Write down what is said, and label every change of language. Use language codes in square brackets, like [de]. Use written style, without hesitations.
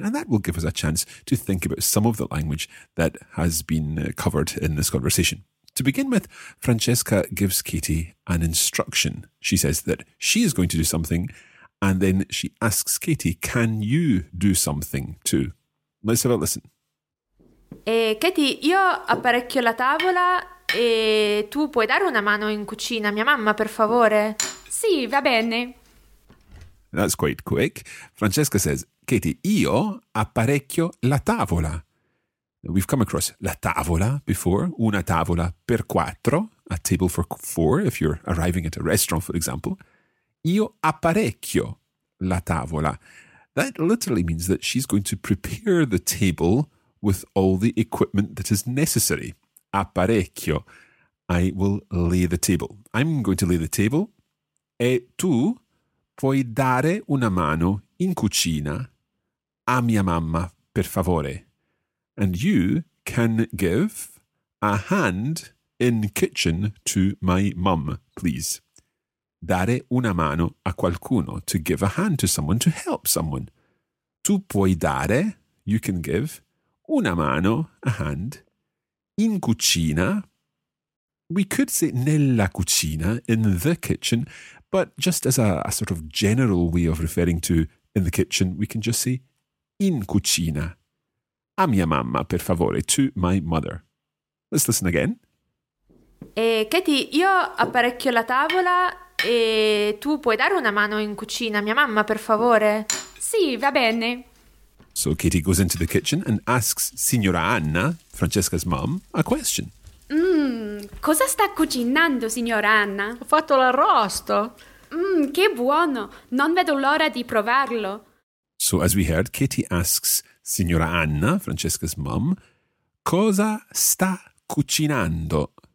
[en] And that will give us a chance to think about some of the language that has been covered in this conversation. To begin with, Francesca gives Katie an instruction. She says that she is going to do something, and then she asks Katie, can you do something too? Let's have a listen. [it] Katie, io apparecchio la tavola e tu puoi dare una mano in cucina a mia mamma, per favore? Sì, va bene. [en] That's quite quick. Francesca says, [it] Katie, io apparecchio la tavola. [en] We've come across [it] la tavola [en] before, [it] una tavola per quattro, [en] a table for four, if you're arriving at a restaurant, for example. [it] Io apparecchio la tavola. [en] That literally means that she's going to prepare the table with all the equipment that is necessary. [it] Apparecchio. [en] I will lay the table. I'm going to lay the table. [it] E tu puoi dare una mano in cucina a mia mamma, per favore. [en] And you can give a hand in kitchen to my mum, please. [it] Dare una mano a qualcuno. [en] To give a hand to someone, to help someone. [it] Tu puoi dare, [en] you can give, [it] una mano, [en] a hand, [it] in cucina. [en] We could say [it] nella cucina, [en] in the kitchen, but just as a sort of general way of referring to in the kitchen, we can just say [it] in cucina. A mia mamma, per favore, [en] to my mother. Let's listen again. [it] Katie, io apparecchio la tavola e tu puoi dare una mano in cucina a mia mamma, per favore? Sì, va bene. [en] So Katie goes into the kitchen and asks Signora Anna, Francesca's mum, a question. [it] Cosa sta cucinando, Signora Anna? Ho fatto l'arrosto. Che buono. Non vedo l'ora di provarlo. [en] So as we heard, Katie asks Signora Anna, Francesca's mum, [it] cosa sta cucinando?